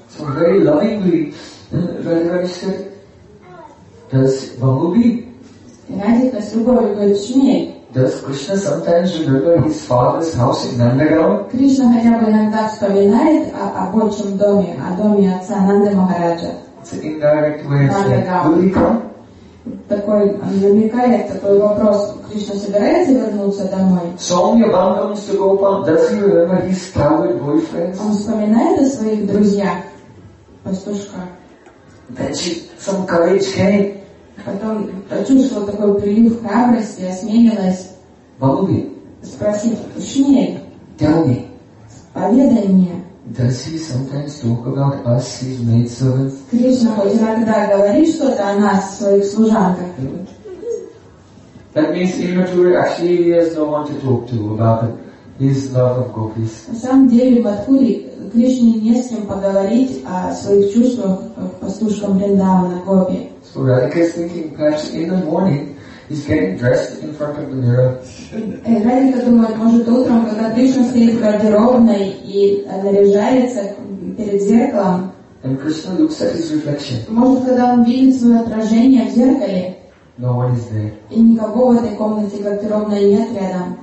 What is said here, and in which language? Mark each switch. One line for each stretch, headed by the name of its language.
English: So very lovingly, Radhika, does Bumblebee?
Russian: Радхика с любовью говорит, Шмель.
English: Does Krishna sometimes remember his father's house in Nandagaon?
Russian: Krishna хотя бы иногда вспоминает об отчим доме, о доме отца Нанды Махараджа.
English: It's an indirect way of saying, will he come?
Russian: Такой намекает, такой вопрос, Кришна собирается вернуться домой?
Sanskrit: Somya Bandham Sugopan,
English: does he remember his coward boyfriends?
Russian: Он вспоминает о своих друзьях, пастушка.
English: Then she, some courage came.
Russian: Потом почувствовал такой прилив храбрости, осмелилась Бабуби, спросить, Шмель,
English: tell me,
Russian: поведай мне,
English: does he sometimes talk about us, his maidservants?
Russian: Кришна хоть иногда говорит что-то о нас, своих служанках.
English: That means in Mathura actually he has no one to talk to about his love of gopis.
Russian: На самом деле в Мадхуре Кришне не с кем поговорить о своих чувствах к пастушкам Вриндавана, гопи.
English: So Radhika is thinking, perhaps in the morning, he's getting dressed in front of the mirror.
Russian: Радхика думает, может утром, когда Кришна стоит в гардеробной и наряжается перед зеркалом.
English: And Krishna looks at his reflection.
Russian: Может, когда он видит свое отражение в зеркале.
English: No one is there.
Russian: И никого в этой комнате гардеробной нет рядом.